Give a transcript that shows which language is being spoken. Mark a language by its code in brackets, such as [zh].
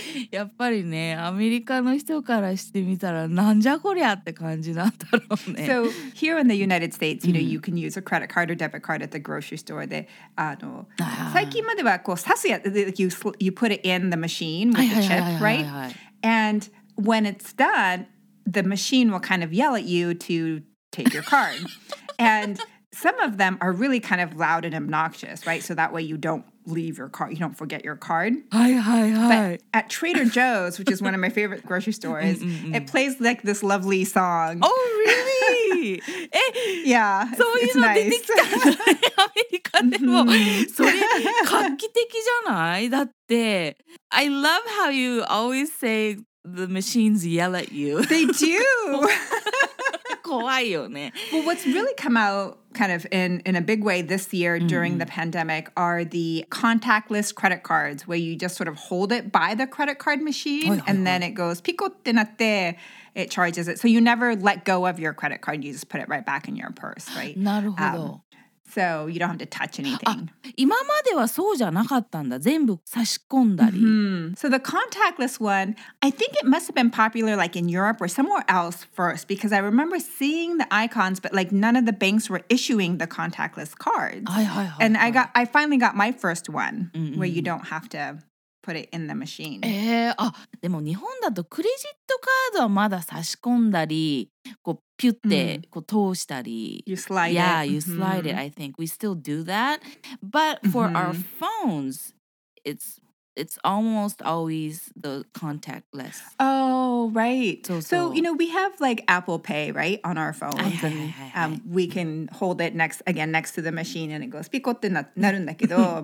[ja] やっぱりね、アメリカの人からしてみたらなんじゃこりゃって感じなんだろうね。 [en] So here in the United States, you know, you can use a credit card or debit card at the grocery store [ja] で、最近まではこう刺すやつ、 [en] you put it in the machine with the chip, right? And when it's done, the machine will kind of yell at you to take your card. And some of them are really kind of loud and obnoxious, right? So that way you don't leave your card, you don't forget your card. But at Trader Joe's, which is one of my favorite grocery stores, it plays like this lovely song. Oh, really? Yeah, [ja] そういうの出てきたアメリカでも、それ画期的じゃない？だって、 [en] I love how you always say the machines yell at you. They do. [ja] 怖いよね。 [en] Well, what's really come out kind of in a big way this year during the pandemic are the contactless credit cards where you just sort of hold it by the credit card machine and then it goes pico [ja] ってなって [en] it charges it. So you never let go of your credit card. You just put it right back in your purse, right? [ja] なるほど。 [en] So you don't have to touch anything. [ja] 今まではそうじゃなかったんだ。全部差し込んだり。 Mm-hmm. [en] So the contactless one, I think it must have been popular like in Europe or somewhere else first because I remember seeing the icons, but like none of the banks were issuing the contactless cards. [ja] はいはいはいはい。 [en] And I finally got my first one mm-hmm. where you don't have to put it in the machine. [ja] でも日本だとクレジットカードはまだ差し込んだり、こうピュッてこう通したり、 [en] you slide yeah, it. Yeah, you slide it. I think we still do that. But for our phones, it's almost always the contactless. Oh, right. So, you know, we have like Apple Pay, right, on our phones. And we can hold it next to the machine and it goes [ja] ピコってなるんだけど。